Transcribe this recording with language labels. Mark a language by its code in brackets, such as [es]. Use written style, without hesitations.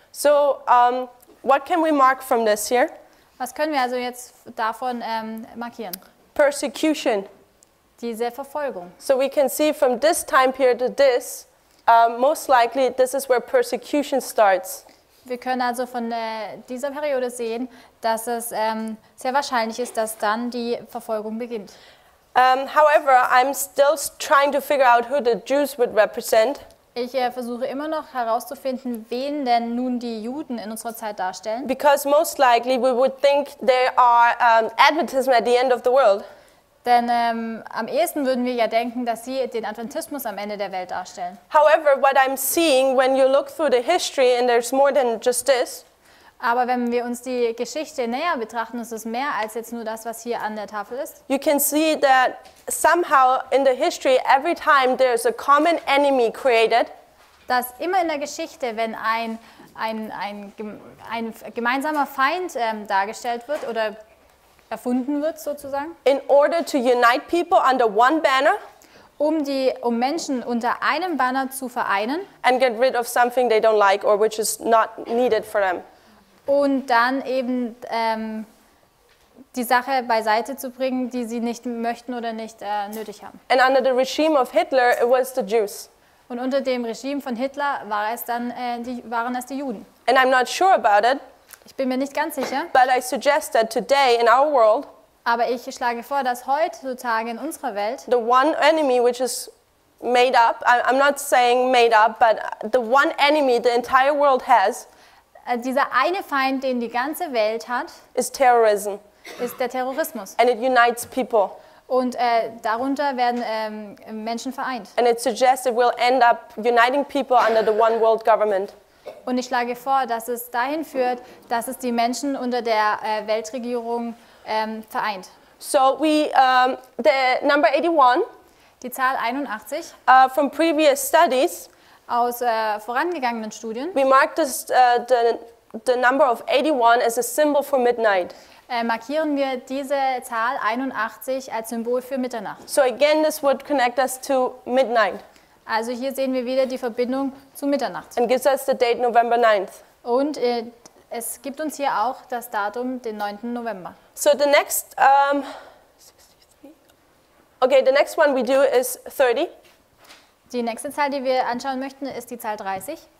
[en] So, what can we mark from this here? [de] Was können wir also jetzt davon markieren? [en] Persecution. [de] Diese Verfolgung. [en] So we can see from this time period to this, most likely this is where persecution starts. [de] Wir können also von dieser Periode sehen, dass es sehr wahrscheinlich ist, dass dann die Verfolgung beginnt. [en] However, I'm still trying to figure out who the Jews would represent. [de] Ich versuche immer noch herauszufinden, wen denn nun die Juden in unserer Zeit darstellen. [en] Because most likely we would think they are Adventism at the end of the world. [de] Denn am ehesten würden wir ja denken, dass sie den Adventismus am Ende der Welt darstellen. [en] However, what I'm seeing when you look through the history and there's more than just this. [de] Aber wenn wir uns die Geschichte näher betrachten, ist es mehr als jetzt nur das, was hier an der Tafel ist. [en] You can see that somehow in the history every time there's a common enemy created. [de] Dass immer in der Geschichte, wenn ein gemeinsamer Feind dargestellt wird oder erfunden wird sozusagen. [en] In order to unite people under one banner. [de] Um Menschen unter einem Banner zu vereinen. [en] And get rid of something they don't like or which is not needed for them. [de] Und dann eben die Sache beiseite zu bringen, die sie nicht möchten oder nicht nötig haben. [en] And under the regime of Hitler, it was the Jews. [de] Und unter dem Regime von Hitler war es dann waren es die Juden. [en] And I'm not sure about it. [de] Ich bin mir nicht ganz sicher. [en] But I suggest that today in our world. [de] Aber ich schlage vor, dass heutzutage in unserer Welt. [en] The one enemy which is made up. I'm not saying made up, but the one enemy the entire world has. [de] Dieser eine Feind, den die ganze Welt hat, [en] is terrorism. [de] Ist der Terrorismus. [en] And it unites people. [de] Und darunter werden Menschen vereint. [en] And it suggests it will end up uniting people under the one world government. [de] Und ich schlage vor, dass es dahin führt, dass es die Menschen unter der Weltregierung vereint. [en] So we the number 81. [de] Die Zahl 81. [en] From previous studies. [de] Aus vorangegangenen Studien. [en] We marked this, the number of 81 as a symbol for midnight. [de] Markieren wir diese Zahl 81 als Symbol für Mitternacht. [en] So again, this would connect us to midnight. [de] Also hier sehen wir wieder die Verbindung zu Mitternacht. [en] And gives us the date November 9th. [de] Und es gibt uns hier auch das Datum, den 9. November. [en] So the next, okay, the next one we do is 30. [de] Die nächste Zahl, die wir anschauen möchten, ist die Zahl 30.